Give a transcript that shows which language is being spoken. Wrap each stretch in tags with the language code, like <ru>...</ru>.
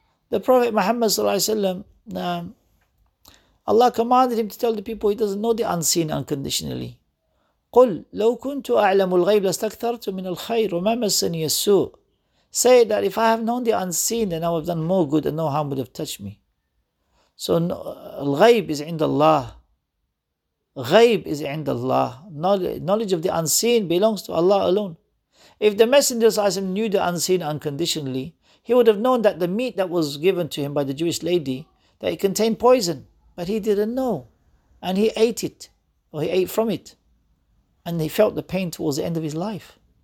<en>The Prophet Muhammad sallallahu alayhi wa sallam, Allah commanded him to tell the people he doesn't know the unseen unconditionally.</en> <ar>قُلْ لَوْ كُنْتُ أَعْلَمُ الْغَيْبِ لَسْتَكْثَرْتُ مِنَ الْخَيْرُ وَمَا مَسَّنِيَ السُّوءُ</ar> <en>Say that if I have known the unseen, then I would have done more good and no harm would have touched me.</en> <ar>So, الغيب is عند الله. غيب is عند الله.</ar> <en>Knowledge of the unseen belongs to Allah alone. If the Messenger sallallahu alayhi wa sallam knew the unseen unconditionally, he would have known that the meat that was given to him by the Jewish lady, that it contained poison. But he didn't know. And he ate it. Or he ate from it. And he felt the pain towards the end of his life.</en>